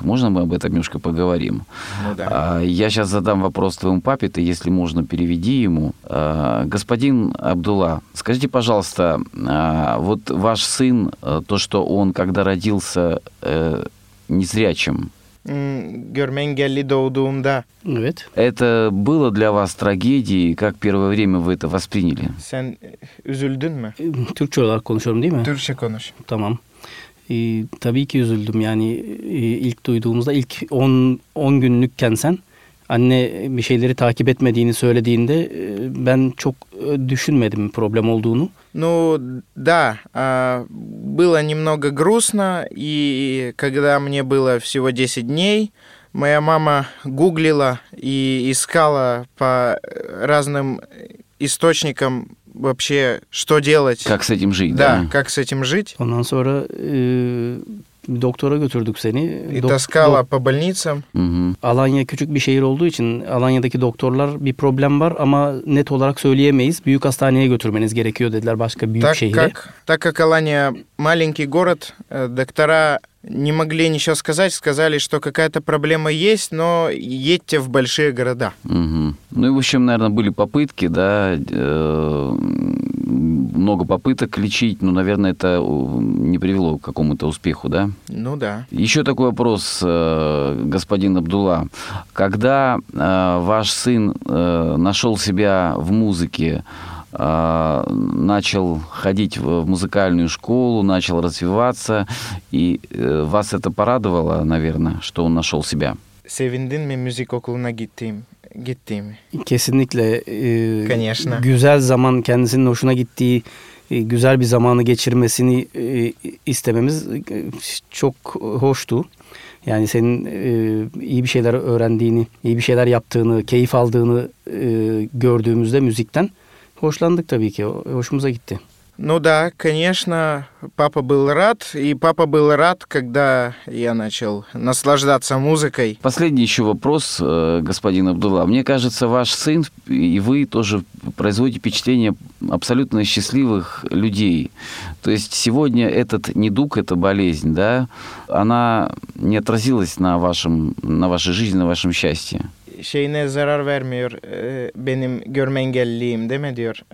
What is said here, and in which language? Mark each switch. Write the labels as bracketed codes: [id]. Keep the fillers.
[ru] Можно мы об этом немножко поговорим? Ну да. А, Я сейчас задам вопрос твоему папе, ты, если можно, переведи ему. А, Господин Абдулла, скажите, пожалуйста, а, вот ваш сын, э, то, что он, когда родился э, незрячим, [tr] М, Görmen geldi doğduğumda Evet. [ru] это было для вас трагедией? Как первое время вы это восприняли? [tr] sen e, üzüldün mü? Ee, Türkçe olarak konuşuyorum değil mi? Türkçe konuş. Tamam. Ee, tabii ki üzüldüm yani e, ilk duyduğumuzda ilk 10 10 günlükken sen anne bir şeyleri takip etmediğini söylediğinde e, ben çok e, düşünmedim problem olduğunu. [ru] Ну да, а, было немного грустно, и когда мне было всего 10 дней, моя мама гуглила и искала по э, разным источникам вообще, что делать. Как с этим жить? да, как с этим жить. [tr] Ondan sonra e, bir doktora götürdük seni. [ru] И [tr] Dok- [ru] таскала [tr] dok- [ru] по больницам. Мгм. [tr] Alanya küçük bir şehir olduğu için Alanya'daki doktorlar bir problem var ama net olarak söyleyemeyiz. Büyük hastaneye götürmeniz gerekiyor dediler başka büyük [ru] Так [tr] şehire. [ru] как, так как Алания маленький город, э, доктора не могли ничего сказать, сказали, что какая-то проблема есть, но едьте в большие города. Мгм. Ну и, в общем, наверное, были попытки, да, э, много попыток лечить, но, наверное, это э, не привело к какому-то успеху, да? Ну да. Еще такой вопрос, э, господин Абдулла. Когда э, ваш сын э, нашел себя в музыке, э, начал ходить в в музыкальную школу, начал развиваться, и э, вас это порадовало, наверное, что он нашел себя? [tr] Sevindin mi müzik okuluna gittiğim gittiğimi? Kesinlikle e, [ru] Конечно. [tr] güzel zaman kendisinin hoşuna gittiği e, güzel bir zamanı geçirmesini e, istememiz e, çok hoştu. Yani senin e, iyi bir şeyler öğrendiğini, iyi bir şeyler yaptığını, keyif aldığını e, gördüğümüzde müzikten hoşlandık tabii ki. Hoşumuza gitti. [ru] Ну да, конечно, папа был рад, и папа был рад, когда я начал наслаждаться музыкой. Последний еще вопрос, э, господин Абдулла. Мне кажется, ваш сын и вы тоже производите впечатление абсолютно счастливых людей. То есть сегодня этот недуг, эта болезнь, да, она не отразилась на, вашем, на вашей жизни, на вашем счастье. [tr] Şeyine zarar vermiyor e, benim görme engelliliğim değil mi diyor.